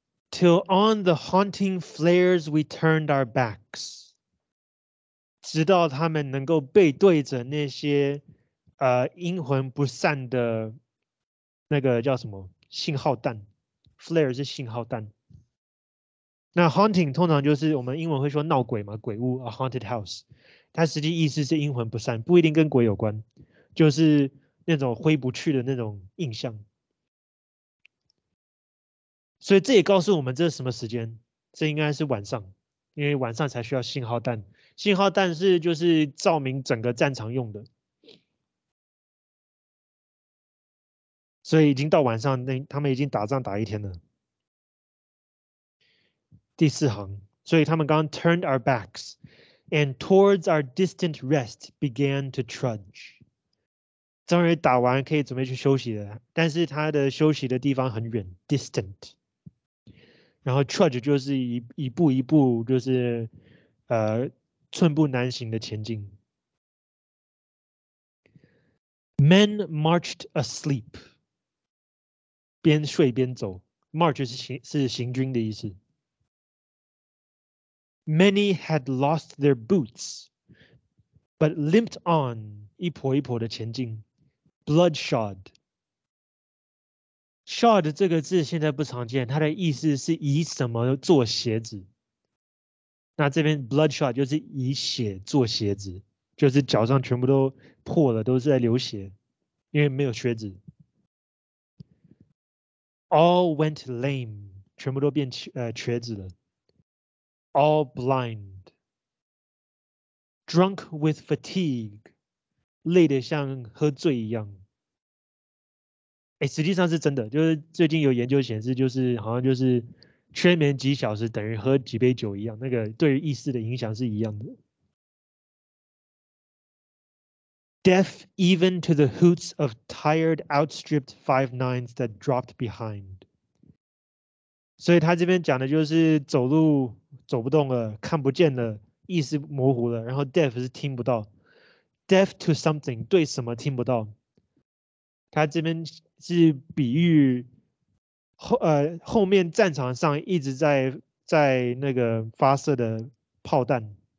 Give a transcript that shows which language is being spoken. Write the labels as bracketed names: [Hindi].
[English] Till on the haunting flares we turned our backs. [Chinese] 直到他们能够背对着那些阴魂不散的那个叫什么信号弹 ，flare 是信号弹。那 haunting 通常就是我们英文会说闹鬼嘛，鬼屋 ， [English] a haunted house。 [Chinese] 它实际意思是阴魂不散，不一定跟鬼有关，就是那种挥不去的那种印象。所以这也告诉我们这是什么时间，这应该是晚上，因为晚上才需要信号弹。信号弹是就是照明整个战场用的。所以已经到晚上，他们已经打仗打一天了。第四行，所以他们刚刚 [English] turned our backs and towards our distant rest began to trudge。 [Chinese] 终于打完可以准备去休息了，但是他的休息的地方很远 ,distant。然后 trudge 就是 一步一步就是寸步难行的前进。 [English] Men marched asleep. [Chinese] 边睡边走。March 是行军的意思。 [English] Many had lost their boots, but limped on, [Chinese] 一跛一跛的前进。Bloodshod. Shod 这个字现在不常见，它的意思是以什么做鞋子。那这边 bloodshod 就是以血做鞋子，就是脚上全部都破了，都是在流血，因为没有靴子。 [English] All went lame， [Chinese] 全部都变瘸子了。 [English] All blind， drunk with fatigue， [Chinese] 累得像喝醉一样。实际上是真的，就是最近有研究显示，就是好像就是缺眠几小时等于喝几杯酒一样，那个对于意识的影响是一样的。 [English] Deaf even to the hoots of tired outstripped five nines that dropped behind. [Chinese] 所以他这边讲的就是走路走不动了，看不见了，意识模糊了，然后 deaf 是听不到。 [English] Deaf to something， [Chinese] 对什么听不到。他这边是比喻 后面战场上一直 在那个发射的炮弹。